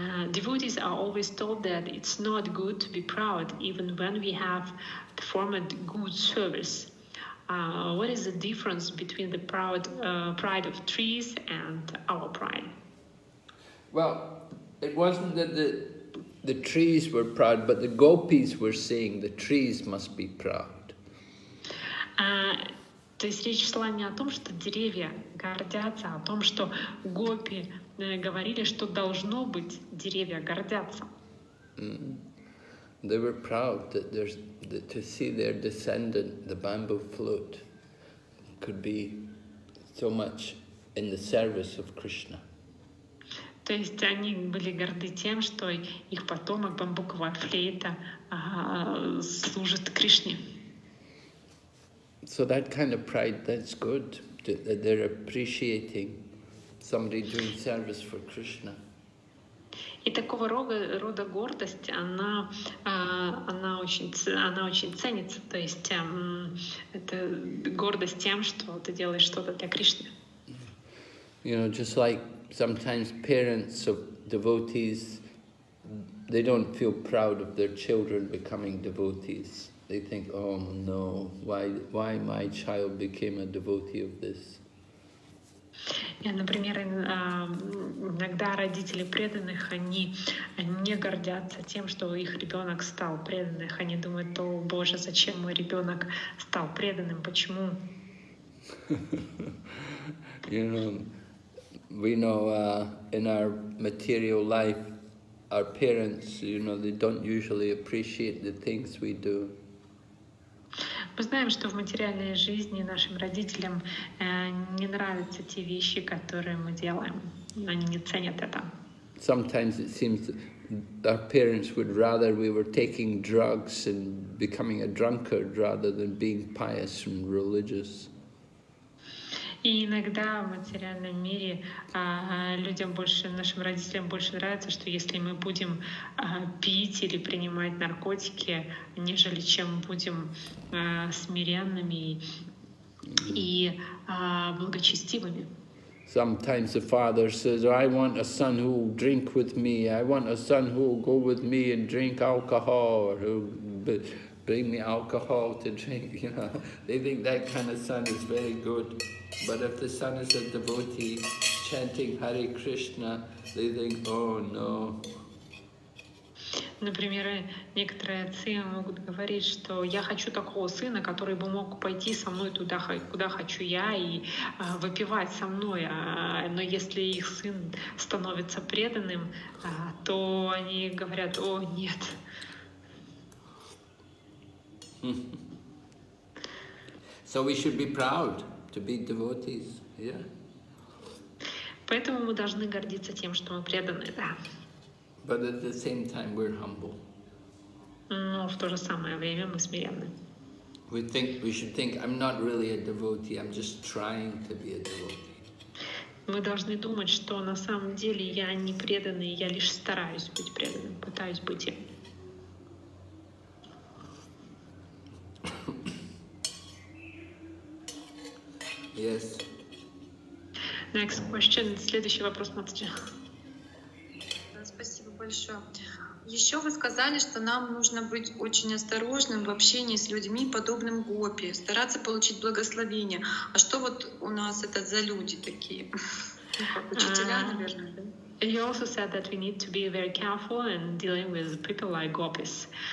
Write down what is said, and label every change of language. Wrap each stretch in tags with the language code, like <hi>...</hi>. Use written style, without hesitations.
<en>Devotees are always told that it's not good to be proud, even when we have performed good service. What is the difference between the pride of trees and our pride? Well, it wasn't that the trees were proud, but the gopis were saying the trees must be proud.</en> <ru>То есть речь шла не о том, что деревья гордятся, а о том, что гопи говорили, что должно быть, деревья гордятся.</ru> <en>They were proud to see their descendant, the bamboo flute, could be so much in the service of Krishna.</en> <ru>То есть они были горды тем, что их потомок, бамбуковая флейта, служит Кришне.</ru> <en>So that kind of pride, that's good, that they're appreciating somebody doing service for Krishna.</en> <ru>И такого рода гордость, она очень ценится, то есть это гордость тем, что ты делаешь что-то для Кришны.</ru> <en>You know, just like sometimes parents of devotees, they don't feel proud of their children becoming devotees. They think, oh no, why my child became a devotee of this?</en> <ru>Например, иногда родители преданных, они не гордятся тем, что их ребенок стал преданным. Они думают, о Боже, зачем мой ребенок стал преданным, почему?</ru> <en>You know, we know in our material life, our parents, you know, they don't usually appreciate the things we do.</en> <ru>Мы знаем, что в материальной жизни нашим родителям не нравятся те вещи, которые мы делаем. Они не ценят это.</ru> <en>Sometimes it seems that our parents would rather we were taking drugs and becoming a drunkard rather than being pious and religious.</en> <ru>И иногда в материальном мире людям больше, нашим родителям больше нравится, что если мы будем пить или принимать наркотики, нежели чем будем смиренными и благочестивыми.</ru> <en>Sometimes the father says, I want a son who will drink with me, I want a son who will go with me and drink alcohol, or who bring me alcohol to drink, you know. They think that kind of son is very good. But if the son is a devotee chanting Hare Krishna, they think, oh no.</en> <ru>Например, некоторые отцы могут говорить, что я хочу такого сына, который бы мог пойти со мной туда, куда хочу я, и выпивать со мной. Но если их сын становится преданным, то они говорят, о нет.</ru> <en>So we should be proud to be devotees, yeah.</en> <ru>Поэтому мы должны гордиться тем, что мы преданы, да.</ru> <en>But at the same time we're humble.</en> <ru>Но в то же самое время мы смиренны.</ru> <en>We should think I'm not really a devotee, I'm just trying to be a devotee.</en> <ru>Мы должны думать, что на самом деле я не преданный, я лишь стараюсь быть преданным, пытаюсь быть им.</ru> <en>Yes. Next question.</en> <ru>Следующий вопрос, Матаджи. Спасибо большое. Еще вы сказали, что нам нужно быть очень осторожным в общении с людьми, подобным гопи, стараться получить благословение. А что вот у нас это за люди такие? Учителя, наверное.</ru> <en>You also said that we need to be very careful in dealing with people like gopis.</en>